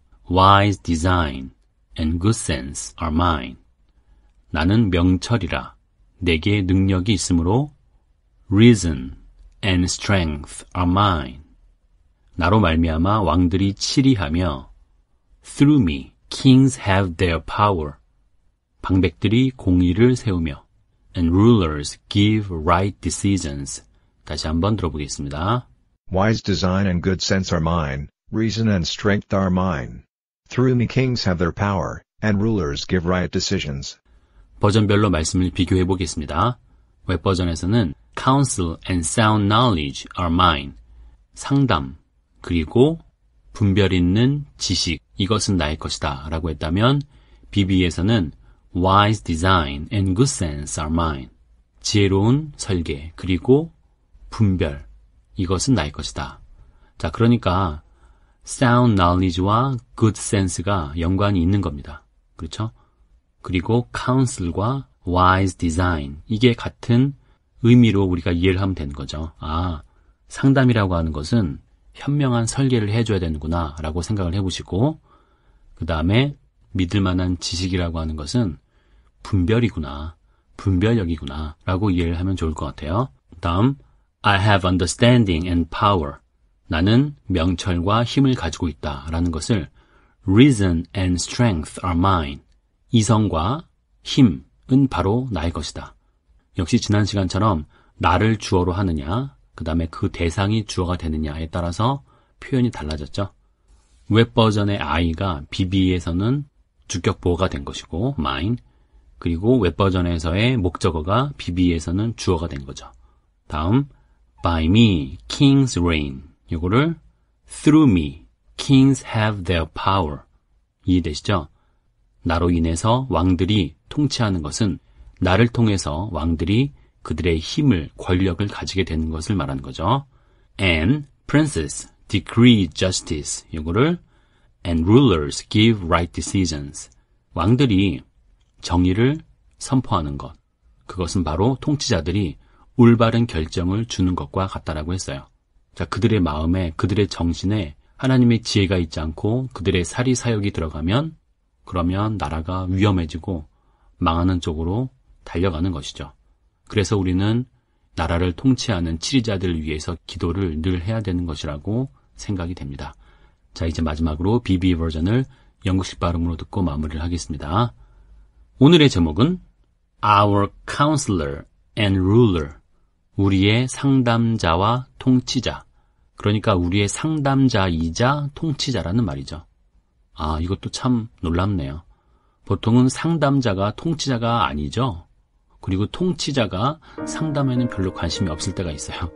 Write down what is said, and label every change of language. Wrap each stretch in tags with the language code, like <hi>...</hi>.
<en>Wise design and good sense are mine.</en> <ko>나는 명철이라. 내게 능력이 있으므로</ko> <en>reason and strength are mine.</en> <ko>나로 말미암아 왕들이 치리하며</ko> <en>through me kings have their power.</en> <ko>방백들이 공의를 세우며</ko> <en>and rulers give right decisions.</en> <ko>다시 한번 들어보겠습니다.</ko> <en>Wise design and good sense are mine, reason and strength are mine. Through me kings have their power, and rulers give right decisions.</en> <ko>버전별로 말씀을 비교해 보겠습니다. 웹 버전에서는</ko> <en>counsel and sound knowledge are mine.</en> <ko>상담, 그리고 분별 있는 지식, 이것은 나의 것이다 라고 했다면 BB에서는</ko> <en>wise design and good sense are mine.</en> <ko>지혜로운 설계, 그리고 분별, 이것은 나의 것이다. 자, 그러니까</ko> <en>sound knowledge</en> <ko>와</ko> <en>good sense</en> <ko>가 연관이 있는 겁니다. 그렇죠? 그리고 counsel과</ko> <en>wise design,</en> <ko>이게 같은 의미로 우리가 이해를 하면 되는 거죠. 아, 상담이라고 하는 것은 현명한 설계를 해줘야 되는구나 라고 생각을 해보시고, 그 다음에 믿을 만한 지식이라고 하는 것은 분별이구나, 분별력이구나 라고 이해를 하면 좋을 것 같아요.</ko> <en>다음, I have understanding and power.</en> <ko>나는 명철과 힘을 가지고 있다 라는 것을</ko> <en>reason and strength are mine.</en> <ko>이성과 힘은 바로 나의 것이다. 역시 지난 시간처럼 나를 주어로 하느냐, 그 다음에 그 대상이 주어가 되느냐에 따라서 표현이 달라졌죠. 웹버전의 I가 BB에서는 주격보호가 된 것이고 mine, 그리고 웹버전에서의 목적어가 BB에서는 주어가 된 거죠.</ko> <en>다음, by me, kings reign. 이거를 through me, kings have their power.</en> <ko>이해되시죠? 나로 인해서 왕들이 통치하는 것은 나를 통해서 왕들이 그들의 힘을, 권력을 가지게 되는 것을 말하는 거죠.</ko> <en>And princes decree justice. 이거를 and rulers give right decisions.</en> <ko>왕들이 정의를 선포하는 것. 그것은 바로 통치자들이 올바른 결정을 주는 것과 같다라고 했어요. 자, 그들의 마음에, 그들의 정신에 하나님의 지혜가 있지 않고 그들의 사리사욕이 들어가면 그러면 나라가 위험해지고 망하는 쪽으로 달려가는 것이죠. 그래서 우리는 나라를 통치하는 치리자들을 위해서 기도를 늘 해야 되는 것이라고 생각이 됩니다. 자, 이제 마지막으로 BB 버전을 영국식 발음으로 듣고 마무리를 하겠습니다. 오늘의 제목은</ko> <en>Our Counselor and Ruler.</en> <ko>우리의 상담자와 통치자. 그러니까 우리의 상담자이자 통치자라는 말이죠. 아, 이것도 참 놀랍네요. 보통은 상담자가 통치자가 아니죠. 그리고 통치자가 상담에는 별로 관심이 없을 때가 있어요.</ko>